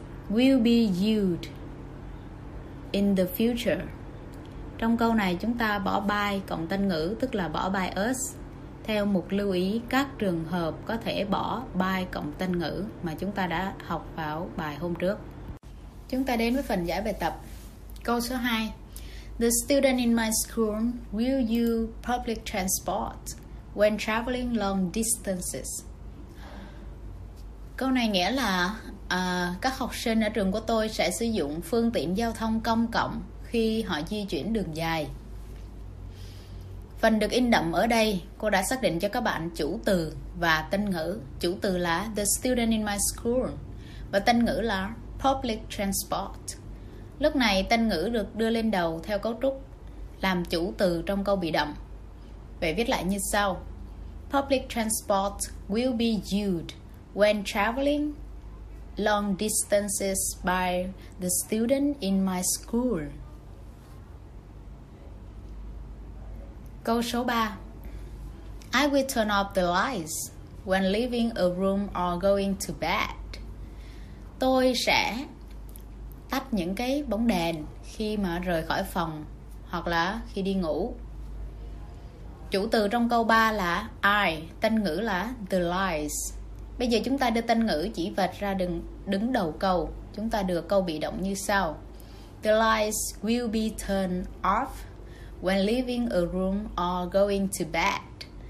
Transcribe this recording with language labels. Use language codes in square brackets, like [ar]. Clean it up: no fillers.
[en] Will be used in the future. [vi] Trong câu này chúng ta bỏ by cộng tân ngữ, tức là bỏ by us. Theo một lưu ý, các trường hợp có thể bỏ by cộng tân ngữ mà chúng ta đã học vào bài hôm trước. Chúng ta đến với phần giải bài tập. Câu số 2. [en] The student in my school will use public transport when traveling long distances. [vi] Câu này nghĩa là các học sinh ở trường của tôi sẽ sử dụng phương tiện giao thông công cộng khi họ di chuyển đường dài. Phần được in đậm ở đây, cô đã xác định cho các bạn chủ từ và tân ngữ. Chủ từ là [en] the student in my school [vi] và tân ngữ là public transport. Lúc này tân ngữ được đưa lên đầu theo cấu trúc làm chủ từ trong câu bị động. Vậy viết lại như sau. [en] Public transport will be used when traveling long distances by the student in my school. [vi] Câu số 3. [en] I will turn off the lights when leaving a room or going to bed. [vi] Tôi sẽ tắt những cái bóng đèn khi mà rời khỏi phòng hoặc là khi đi ngủ. Chủ từ trong câu 3 là I, tên ngữ là the lights. Bây giờ chúng ta đưa tên ngữ chỉ vạch ra đứng đầu câu, chúng ta được câu bị động như sau: [en] The lights will be turned off when leaving a room or going to bed.